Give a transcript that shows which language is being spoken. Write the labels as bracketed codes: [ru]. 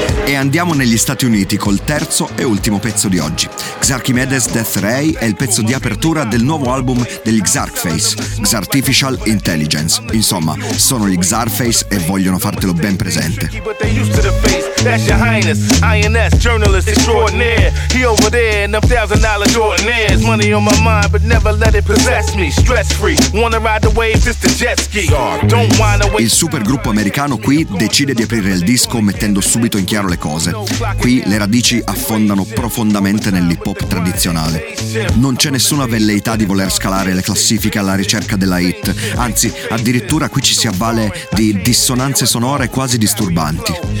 [it] E andiamo negli Stati Uniti col terzo e ultimo pezzo di oggi. Xarchimedes Death Ray è il pezzo di apertura del nuovo album degli Xarkface, Xartificial Intelligence. Insomma, sono gli Xarkface e vogliono fartelo ben presente. [en] That's your highness, INS, journalist extraordinaire. He over there in them $1,000 Jordanaires. Money on my mind, but never let it possess me. Stress free, wanna ride the waves, it's the jet ski. Don't wanna wait. [it] Il supergruppo americano qui decide di aprire il disco mettendo subito in chiaro le cose. Qui le radici affondano profondamente nell'hip hop tradizionale. Non c'è nessuna velleità di voler scalare le classifiche alla ricerca della hit. Anzi, addirittura qui ci si avvale di dissonanze sonore quasi disturbanti.